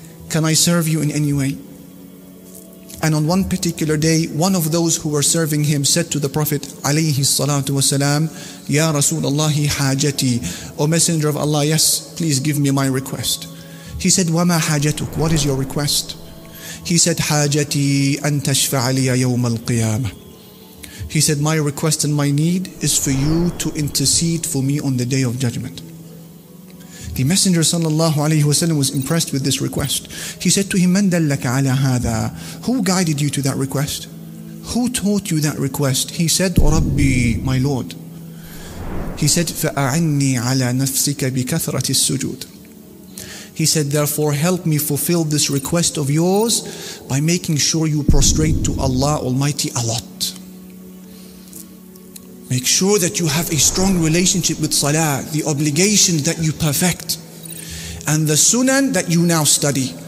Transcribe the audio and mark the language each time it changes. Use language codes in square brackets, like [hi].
[en] Can I serve you in any way? And on one particular day, one of those who were serving him said to the Prophet alayhi salatu wa salam, [ar] Ya Rasulallahi hajati, [en] O Messenger of Allah, yes, please give me my request. He said, [ar] وَمَا حَاجَتُكُ, [en] what is your request? He said, [ar] حَاجَتِي أَن تَشْفَعَ لِيَ يَوْمَ الْقِيَامَةِ. [en] He said, my request and my need is for you to intercede for me on the Day of Judgment. The Messenger sallallahu alayhi wa sallam was impressed with this request. He said to him, [ar] مَنْ دَلَّكَ عَلَى هَذَا, [en] who guided you to that request? Who taught you that request? He said, رَبِّي, my Lord. He said, [ar] فَأَعِنِّي عَلَى نَفْسِكَ بِكَثْرَةِ السُّجُودِ. [en] He said, therefore, help me fulfill this request of yours by making sure you prostrate to Allah Almighty a lot. Make sure that you have a strong relationship with salah, the obligation that you perfect, and the sunan that you now study.